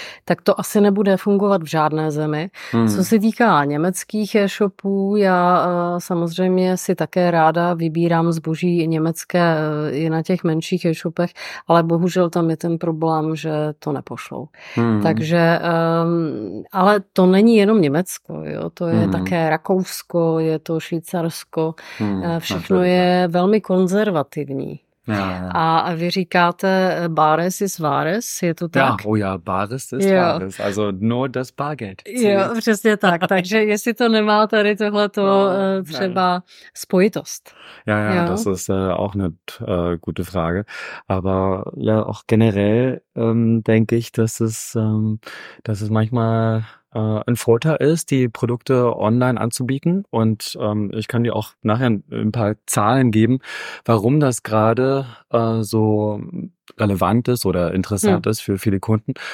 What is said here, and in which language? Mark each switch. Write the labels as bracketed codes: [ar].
[cs] Tak to asi nebude fungovat v žádné zemi. Co se týká německých e-shopů, já samozřejmě si také ráda vybírám zboží německé i na těch menších e-shopech, ale bohužel tam je ten problém, že to nepošlou. Takže, ale to není jenom Německo, jo? To je také Rakousko, je to Švýcarsko, všechno je velmi konzervativní. A vy říkáte [de] Bares ist Wares, [cs] je to tak? [de] Ja, oh ja, Bares ist Wares, also nur das Baguette. [cs] Jo, přesně tak, takže jestli to nemá tady tohleto třeba spojitost. [de] Ja, ja, jo? Das ist auch eine gute Frage. Aber ja, auch generell denke ich, dass es manchmal ein Vorteil ist, die Produkte online anzubieten. Und ich kann dir auch nachher ein paar Zahlen geben, warum das gerade so relevant ist oder interessant ist für viele Kunden.